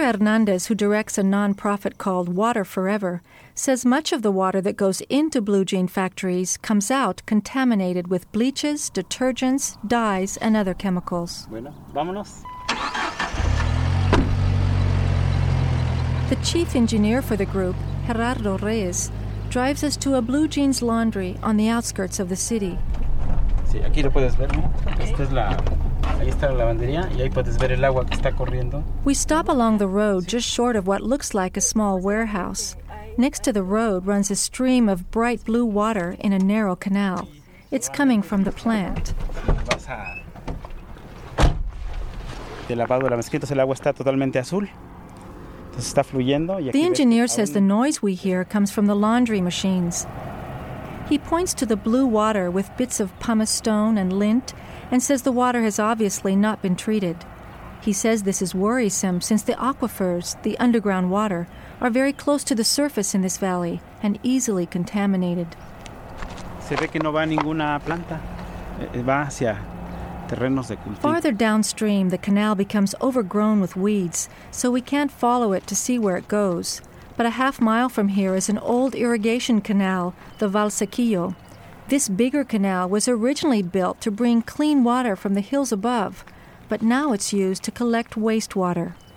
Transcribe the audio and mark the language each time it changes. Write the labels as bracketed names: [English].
[English] Hernandez, who directs a nonprofit called Water Forever, says much of the water that goes into blue jean factories comes out contaminated with bleaches, detergents, dyes, and other chemicals. [Spanish] Bueno, vámonos. [English] The chief engineer for the group, Gerardo Reyes, drives us to a blue jeans laundry on the outskirts of the city. [Spanish] Sí, aquí lo puedes ver, ¿no? Okay. Esta es la... Ahí está la lavandería y ahí puedes ver el agua que está corriendo. [English] We stop along the road just short of what looks like a small warehouse. Next to the road runs a stream of bright blue water in a narrow canal. It's coming from the plant. [Spanish] De lavado de la mezquita, el agua está totalmente azul. Entonces está fluyendo. [English] The engineer says the noise we hear comes from the laundry machines. He points to the blue water with bits of pumice stone and lint and says the water has obviously not been treated. He says this is worrisome since the aquifers, the underground water, are very close to the surface in this valley and easily contaminated. [Spanish] Se ve que no va ninguna planta. Va hacia terrenos de cultivo. [English] Farther downstream, the canal becomes overgrown with weeds, so we can't follow it to see where it goes. But a half mile from here is an old irrigation canal, the Valsequillo. This bigger canal was originally built to bring clean water from the hills above, but now it's used to collect wastewater.